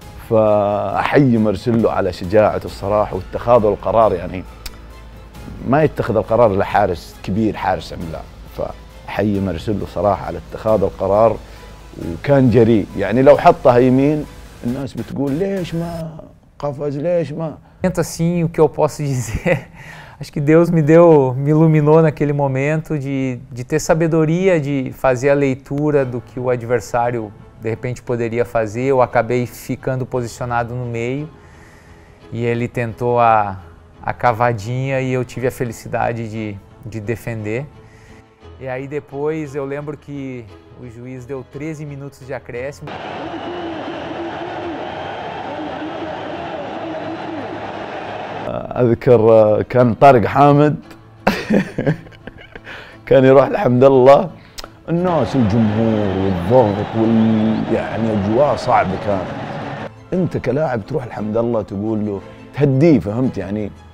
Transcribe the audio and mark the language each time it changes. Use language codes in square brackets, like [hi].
[ar] فأحيي مارسيلو على شجاعته الصراحة واتخاذ القرار، يعني ما يتخذ القرار إلا حارس كبير حارس عملاق، فأحيي مارسيلو صراحة على اتخاذ القرار وكان جريء، يعني لو حطها يمين الناس بتقول ليش ما قفز ليش ما. [pt] Momento assim, o que eu posso dizer, acho que Deus me iluminou naquele momento de ter sabedoria, de fazer a leitura do que o adversário de repente poderia fazer. Eu acabei ficando posicionado no meio e ele tentou a cavadinha e eu tive a felicidade de defender. E aí depois eu lembro que o juiz deu 13 minutos de acréscimo. [ar] أذكر كان طارق حامد كان يروح لحمد الله، الناس الجمهور والضغط يعني أجواء صعبة كانت، أنت كلاعب تروح لحمد الله تقول له تهديه، فهمت يعني